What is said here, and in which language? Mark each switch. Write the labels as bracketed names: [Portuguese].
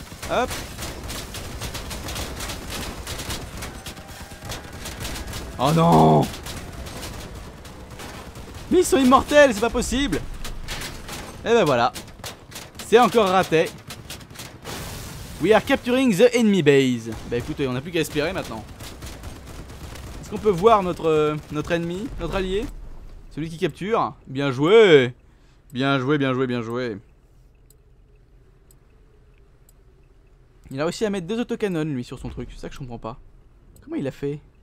[French] Hop. Oh non. Mais ils sont immortels, c'est pas possible. Et ben voilà. C'est encore raté. [English] We are capturing the enemy base. [French] Bah écoute, on a plus qu'à espérer maintenant. Est-ce qu'on peut voir notre ennemi, notre allié? Celui qui capture. Bien joué. Bien joué, bien joué, bien joué. Il a réussi à mettre deux autocannons lui sur son truc, c'est ça que je comprends pas. Comment il a fait?